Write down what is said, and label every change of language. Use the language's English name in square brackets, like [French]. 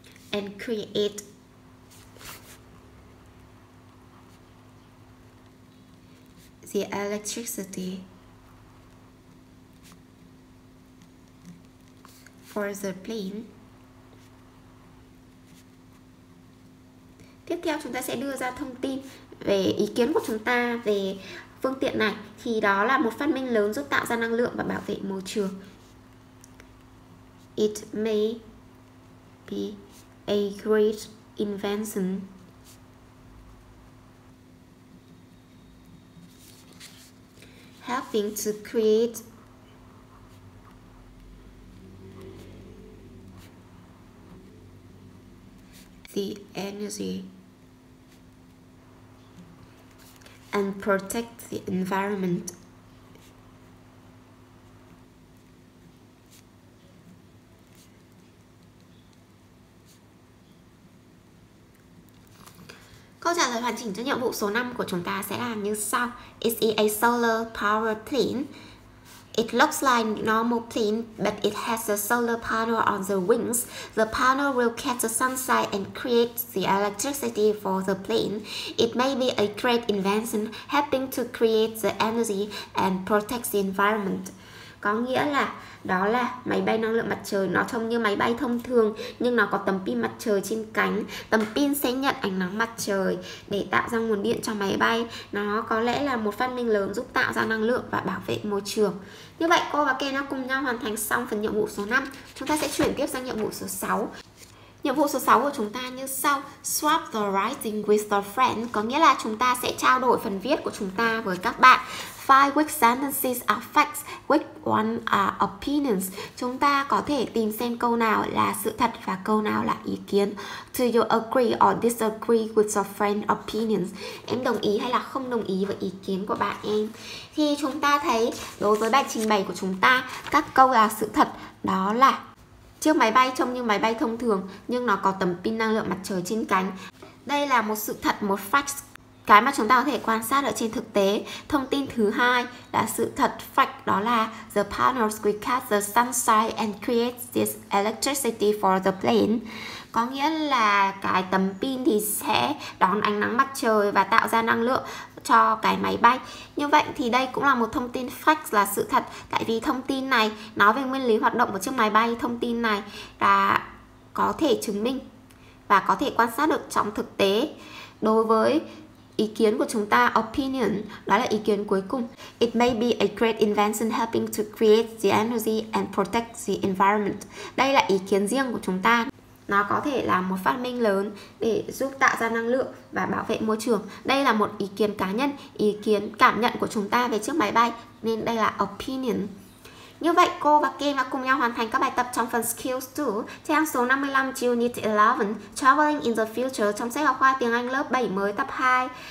[English] and create the electricity for the plane. [Vietnamese] Tiếp theo chúng ta sẽ đưa ra thông tin về ý kiến của chúng ta về phương tiện này, thì đó là một phát minh lớn giúp tạo ra năng lượng và bảo vệ môi trường. [English] It may be a great invention helping to create the energy and protect the environment. [Vietnamese] Câu trả lời hoàn chỉnh cho nhiệm vụ số 5 của chúng ta sẽ là như sau. [English] Is it a solar power plane? It looks like normal plane, but it has a solar panel on the wings. The panel will catch the sunlight and create the electricity for the plane. It may be a great invention, helping to create the energy and protect the environment. [Vietnamese] Có nghĩa là đó là máy bay năng lượng mặt trời, nó trông như máy bay thông thường nhưng nó có tấm pin mặt trời trên cánh. Tấm pin sẽ nhận ánh nắng mặt trời để tạo ra nguồn điện cho máy bay. Nó có lẽ là một phát minh lớn giúp tạo ra năng lượng và bảo vệ môi trường. Như vậy cô và Ken đã cùng nhau hoàn thành xong phần nhiệm vụ số 5. Chúng ta sẽ chuyển tiếp sang nhiệm vụ số 6. Nhiệm vụ số 6 của chúng ta như sau. [English] Swap the writing with the friend. [Vietnamese] Có nghĩa là chúng ta sẽ trao đổi phần viết của chúng ta với các bạn. [English] Five weak sentences are facts, weak one are opinions. [Vietnamese] Chúng ta có thể tìm xem câu nào là sự thật và câu nào là ý kiến. [English] Do you agree or disagree with your friend's opinions? [Vietnamese] Em đồng ý hay là không đồng ý với ý kiến của bạn em? Thì chúng ta thấy đối với bài trình bày của chúng ta, các câu là sự thật, đó là chiếc máy bay trông như máy bay thông thường nhưng nó có tấm pin năng lượng mặt trời trên cánh. Đây là một sự thật, một fact. Cái mà chúng ta có thể quan sát ở trên thực tế. Thông tin thứ hai là sự thật fact, đó là [English] the panels will catch the sunshine and create this electricity for the plane. [Vietnamese] Có nghĩa là cái tấm pin thì sẽ đón ánh nắng mặt trời và tạo ra năng lượng cho cái máy bay. Như vậy thì đây cũng là một thông tin fact, là sự thật. Tại vì thông tin này nói về nguyên lý hoạt động của chiếc máy bay, thông tin này là có thể chứng minh và có thể quan sát được trong thực tế. Đối với ý kiến của chúng ta, opinion, đó là ý kiến cuối cùng. [English] It may be a great invention helping to create the energy and protect the environment. [Vietnamese] Đây là ý kiến riêng của chúng ta. Nó có thể là một phát minh lớn để giúp tạo ra năng lượng và bảo vệ môi trường. Đây là một ý kiến cá nhân, ý kiến cảm nhận của chúng ta về chiếc máy bay. Nên đây là opinion. Như vậy, cô và Kim đã cùng nhau hoàn thành các bài tập trong phần Skills 2, trang số 55, Unit 11, Traveling in the Future, trong sách học khoa tiếng Anh lớp 7 mới tập 2.